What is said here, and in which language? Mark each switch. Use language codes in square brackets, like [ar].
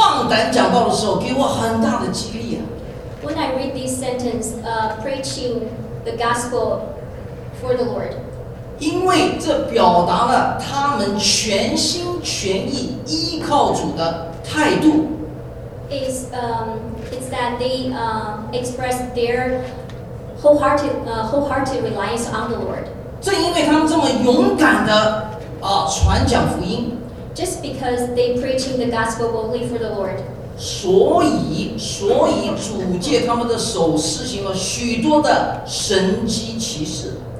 [zh] 当我读到这个依靠主放胆讲道的时候，给我很大的激励。 [en] When I read this sentence, preaching the gospel for the Lord. [zh] 因为这表达了他们全心全意依靠主的。态度 [en] is it's that they express their wholehearted reliance on the Lord. [zh] 正因为他们这么勇敢的传讲福音， [en] just because they preaching the gospel boldly for the Lord. [zh] 所以主借他们的手施行了许多的神迹奇事。